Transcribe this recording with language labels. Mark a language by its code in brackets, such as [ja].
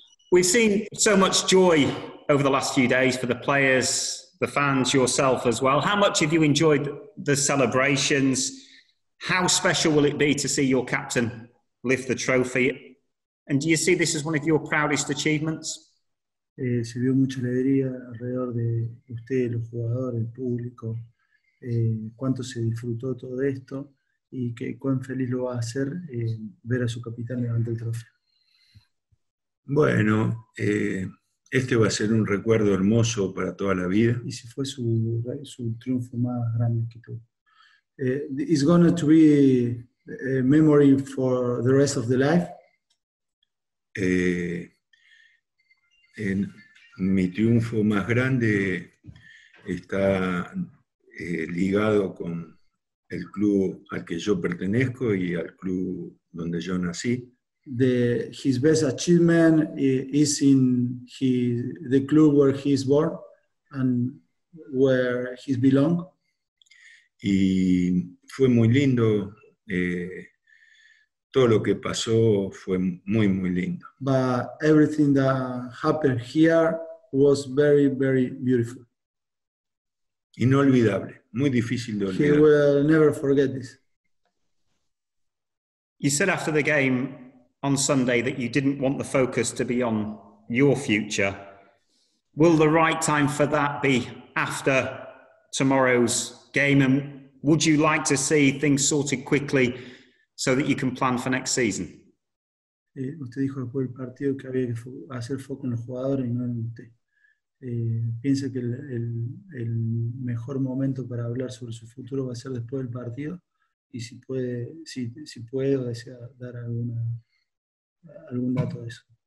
[en] We've seen so much joy over the last few days for the players, the fans, yourself as well. How much have you enjoyed the celebrations? How special will it be to see your captain lift the trophy? And do you see this as one of your proudest achievements? [es] Se vio mucha alegría alrededor de ustedes, los jugadores, el público. Cuánto se disfrutó todo esto y que cuán feliz lo va a hacer ver a su capitán levantar el trofeo. Bueno, este va a ser un recuerdo hermoso para toda la vida. Y si fue su triunfo más grande que tuvo. [en] It's going to be a memory for the rest of the life. [es] En mi triunfo más grande está ligado con el club al que yo pertenezco y al club donde yo nací. [en] His best achievement is in the club where he's born and where he belongs. [es] Y fue muy lindo. Todo lo que pasó fue muy, muy lindo. [en] But everything that happened here was very, very beautiful. [es] Inolvidable, muy difícil de olvidar. [en] He will never forget this. You said after the game on Sunday that you didn't want the focus to be on your future. Will the right time for that be after tomorrow's game? And would you like to see things sorted quickly so that you can plan for next season? [es] Usted dijo después del partido que había que hacer foco en los jugadores y no en usted. Piensa que el mejor momento para hablar sobre su futuro va a ser después del partido y si puede o desea dar algún dato de eso.